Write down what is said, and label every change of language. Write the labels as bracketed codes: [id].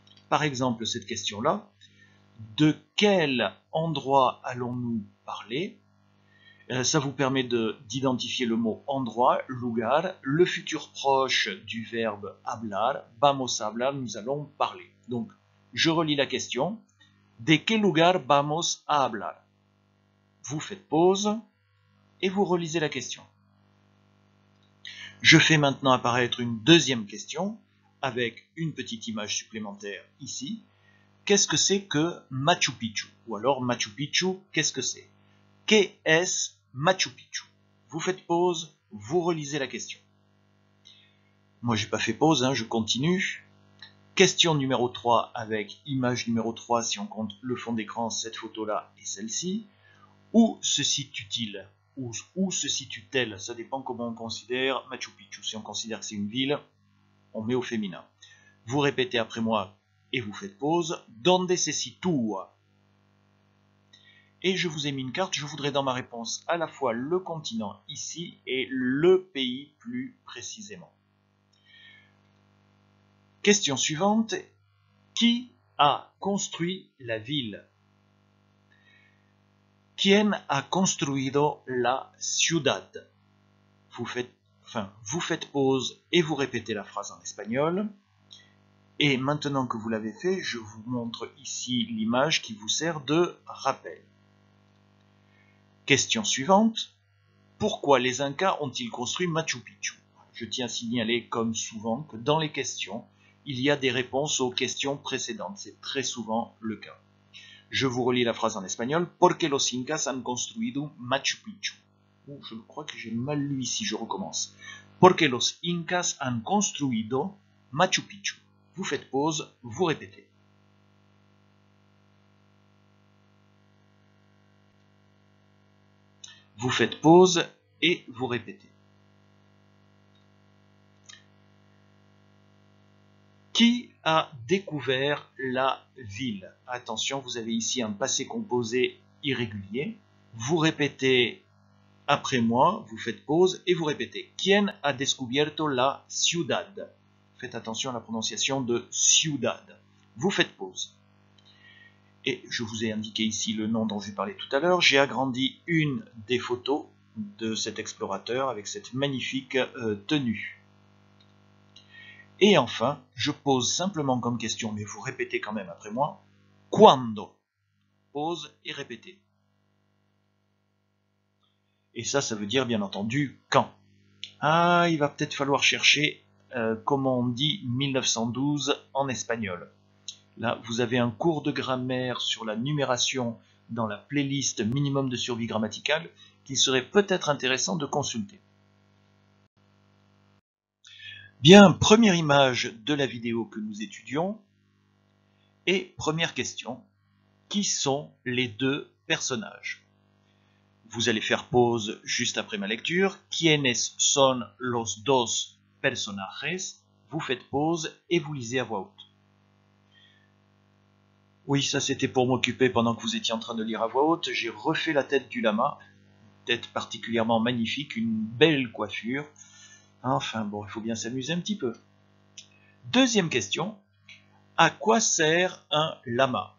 [fr] Par exemple, cette question-là, de quel endroit allons-nous parler? Ça vous permet d'identifier le mot endroit, lugar, le futur proche du verbe hablar, [es] vamos a hablar, [fr] nous allons parler. Donc, je relis la question. De quel [es] lugar vamos a hablar? [fr] Vous faites pause et vous relisez la question. Je fais maintenant apparaître une deuxième question, avec une petite image supplémentaire ici. Qu'est-ce que c'est que Machu Picchu? Ou alors Machu Picchu, qu'est-ce que c'est? Qu'est-ce Machu Picchu? Vous faites pause, vous relisez la question. Moi, j'ai pas fait pause, hein, je continue. Question numéro 3 avec image numéro 3, si on compte le fond d'écran, cette photo-là et celle-ci. Où se situe-t-il? Où se situe-t-elle? Ça dépend comment on considère Machu Picchu. Si on considère que c'est une ville, on met au féminin. Vous répétez après moi et vous faites pause. [es] Donde se sitúa? [fr] Et je vous ai mis une carte, je voudrais dans ma réponse à la fois le continent ici et le pays plus précisément. Question suivante, qui a construit la ville? [es] ¿Quién ha construido la ciudad? [fr] Vous faites pause et vous répétez la phrase en espagnol. Et maintenant que vous l'avez fait, je vous montre ici l'image qui vous sert de rappel. Question suivante, pourquoi les Incas ont-ils construit Machu Picchu? Je tiens à signaler, comme souvent, que dans les questions, il y a des réponses aux questions précédentes. C'est très souvent le cas. Je vous relis la phrase en espagnol. [es] ¿Por qué los Incas han construido Machu Picchu? [fr] Ouh, je crois que j'ai mal lu ici, je recommence. [es] ¿Por qué los Incas han construido Machu Picchu? [fr] Vous faites pause, vous répétez. Vous faites pause et vous répétez. Qui a découvert la ville? Attention, vous avez ici un passé composé irrégulier. Vous répétez après moi, vous faites pause et vous répétez. [es] ¿Quién ha descubierto la ciudad? [fr] Faites attention à la prononciation de ciudad. Vous faites pause. Et je vous ai indiqué ici le nom dont je parlais tout à l'heure. J'ai agrandi une des photos de cet explorateur avec cette magnifique tenue. Et enfin, je pose simplement comme question, mais vous répétez quand même après moi. Quando? Pause et répétez. Et ça veut dire bien entendu quand. Ah, il va peut-être falloir chercher comment on dit 1912 en espagnol. Là, vous avez un cours de grammaire sur la numération dans la playlist Minimum de survie grammaticale qu'il serait peut-être intéressant de consulter. Bien, première image de la vidéo que nous étudions. Et première question, qui sont les deux personnages? Vous allez faire pause juste après ma lecture. [es] ¿Quiénes son los dos personajes? [fr] Vous faites pause et vous lisez à voix haute. Oui, ça c'était pour m'occuper pendant que vous étiez en train de lire à voix haute. J'ai refait la tête du lama, tête particulièrement magnifique, une belle coiffure. Enfin, bon, il faut bien s'amuser un petit peu. Deuxième question, à quoi sert un lama?